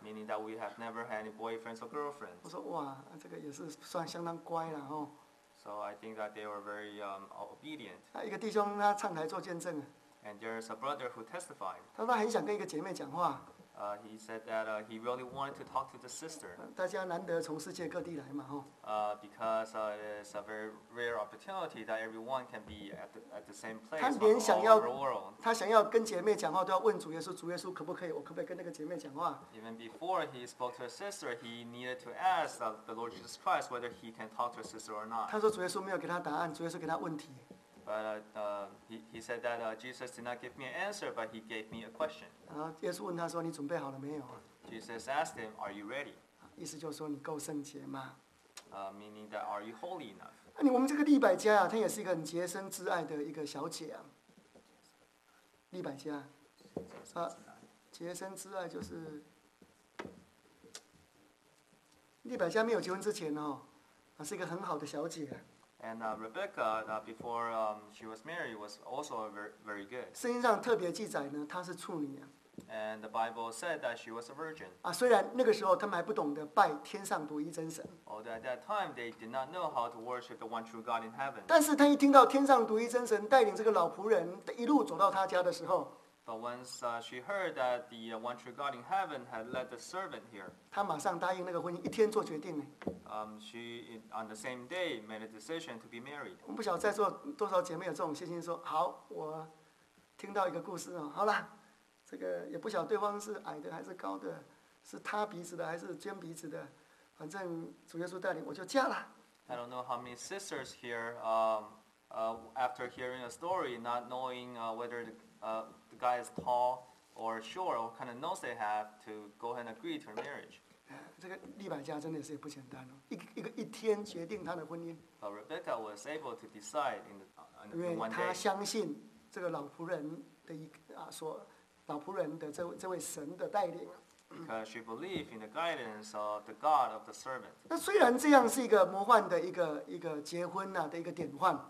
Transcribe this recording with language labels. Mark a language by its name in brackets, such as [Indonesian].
[English] Meaning that we have never had any boyfriends or girlfriends. [Chinese] 我说哇，这个也是算相当乖了哦。 [English] So I think that they were very obedient. [Chinese] 一个弟兄他上台做见证。 [English] And there's a brother who testified. [Chinese] 他说他很想跟一个姐妹讲话。 [English] He said that he really wanted to talk to the sister. [Chinese] 大家难得从世界各地来嘛，哦。 [English] Because it's a very rare opportunity that everyone can be at the same place. [Chinese] 他连想要 [English] all over the world. [Chinese] 他想要跟姐妹讲话都要问主耶稣，主耶稣可不可以？我可不可以跟那个姐妹讲话 [English] ？Even before he spoke to his sister, he needed to ask the Lord Jesus Christ whether he can talk to his sister or not. [Chinese] 他说主耶稣没有给他答案，主耶稣给他问题。 [English] But he said that Jesus did not give me an answer, but he gave me a question. [Chinese] 然后耶稣问他说：“你准备好了没有？” [English] Jesus asked him, "Are you ready?" [Chinese] 意思就是说你够圣洁吗？ [English] Meaning that are you holy enough? [Chinese] 那你我们这个利百加啊，她也是一个很洁身自爱的一个小姐啊。利百加，洁身自爱就是利百加没有结婚之前哦，是一个很好的小姐。 [English] And Rebecca, before she was married, was also very good. [Chinese] 圣经上特别记载呢，她是处女。 [English] And the Bible said that she was a virgin. [Chinese] 虽然那个时候他们还不懂得拜天上独一真神。 [English] Although at that time they did not know how to worship the one true God in heaven. [Chinese] 但是他一听到天上独一真神带领这个老仆人一路走到他家的时候 [English] ，But once she heard that the one true God in heaven had led the servant here, [Chinese] 她马上答应那个婚姻，一天做决定呢。 [English] She on the same day made a decision to be married. [Chinese] 我不晓得在座多少姐妹有这种信心，说好，我听到一个故事哦，好了，这个也不晓得对方是矮的还是高的，是塌鼻子的还是尖鼻子的，反正主耶稣带领我就嫁了。 [English] I don't know how many sisters here, after hearing a story, not knowing whether the guy is tall or short, what kind of nose they have to go ahead and agree to marriage. [Chinese] 这个利百加真的是也不简单哦，一天决定他的婚姻。 [English] But Rebecca was able to decide in one day. [Chinese] 因为他相信这个老仆人的一啊说，老仆人的这位神的带领。 [English] Because she believed in the guidance of the God of the servant. [Chinese] 那虽然这样是一个魔幻的一个结婚呐、啊、的一个典范。